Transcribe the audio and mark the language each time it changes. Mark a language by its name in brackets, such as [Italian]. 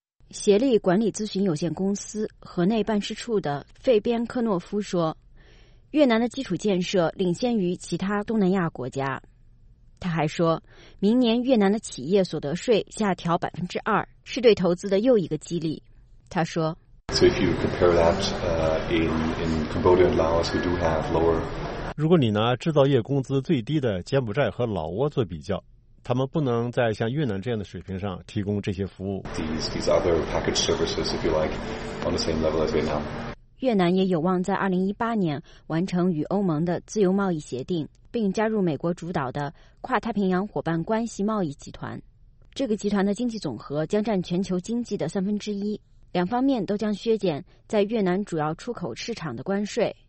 [Chinese] 协力管理咨询有限公司河内办事处的费边科诺夫说，越南的基础建设领先于其他东南亚国家。他还说，明年越南的企业所得税下调2%，是对投资的又一个激励。他说 [English] So if you compare that in Cambodia and Laos, we do have lower... [Chinese] 如果你拿制造业工资最低的柬埔寨和老挝做比较，他们不能在像越南这样的水平上提供这些服务。 [English] These other package services, if you like, on the same level as Vietnam. [Chinese] 越南也有望在2018年完成与欧盟的自由贸易协定，并加入美国主导的跨太平洋伙伴关系贸易集团。这个集团的经济总和将占全球经济的1/3，两方面都将削减在越南主要出口市场的关税。